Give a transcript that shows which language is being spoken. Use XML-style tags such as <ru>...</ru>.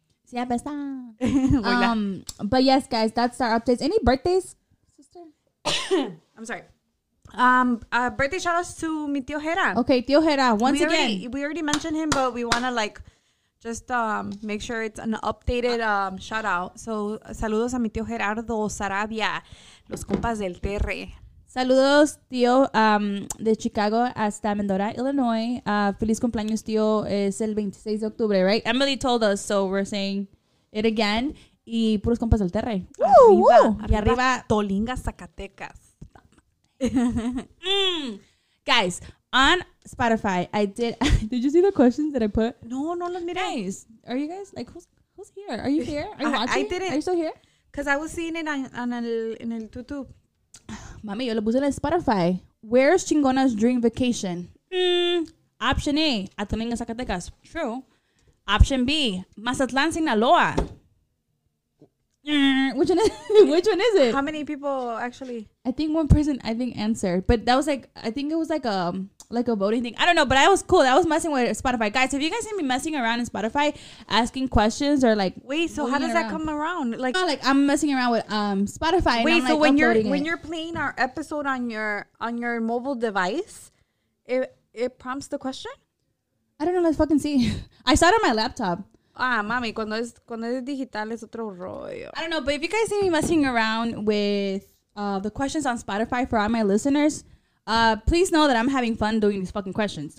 <es>Sí, apesta.</es> <en>But yes, guys, that's our updates. Any birthdays, sister? I'm sorry. Birthday shout outs to</en> <es>mi tío</es> <en>Jera. Okay, tío Jera, we already mentioned him, but we want to like just make sure it's an updated shout out.</en> <es>So, saludos a mi tío Gerardo Sarabia, los compas del Terre. Saludos, tío, de Chicago hasta Mendota, Illinois. Feliz cumpleaños, tío, es el 26 de octubre, right?</es> <en>Emily told us, so we're saying it again.</en> <es>Y puros compas del Terre. Arriba, Tolinga, Zacatecas.</es> <en>Guys, on Spotify, did you see the questions that I put?</en> <es>No, los miré.</es> <en>Guys, are you guys like who's here? Are you here? Are you watching? I didn't. Are you still here? Because I was seeing it in</en> <es>el tutu. Mami, yo lo puse en Spotify.</es> <en>Where's Chingona's dream vacation? Option A, Atlanta, Zacatecas. True. Option B, Mazatlán, Sinaloa. Which one is it? How many people actually? I think one person answered, but that was like I think it was like a voting thing. I don't know, but I was cool. I was messing with Spotify, guys. Have you guys seen me messing around in Spotify, asking questions or like? Wait, so how does that come around? Like, oh, like I'm messing around with Spotify. Wait, and I'm so like when you're playing our episode on your mobile device, it prompts the question? I don't know. Let's fucking see. I saw it on my laptop.</en> <es>Ah, mami, cuando es digital es otro rollo.</es> <en>I don't know, but if you guys see me messing around with the questions on Spotify for all my listeners, please know that I'm having fun doing these fucking questions.</en>